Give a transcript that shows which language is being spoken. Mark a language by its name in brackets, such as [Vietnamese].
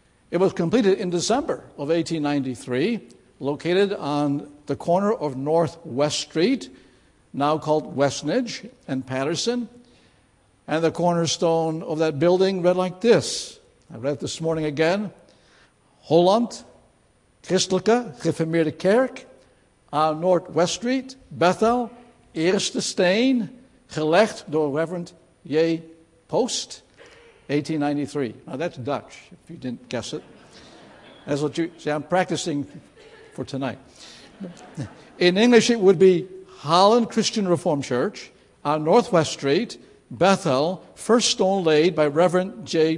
[English] It was completed in December of 1893. Located on the corner of Northwest Street, now called Westnage and Patterson. And the cornerstone of that building read like this. I read it this morning again. [Dutch] Holland, Christelijke Gereformeerde Kerk, on Northwest Street, Bethel, eerste steen, gelegd door Reverend J. Post, 1893. [English] Now that's Dutch, if you didn't guess it. That's what you see, I'm practicing for tonight. In English, it would be Holland Christian Reformed Church on Northwest Street, Bethel, first stone laid by Reverend J.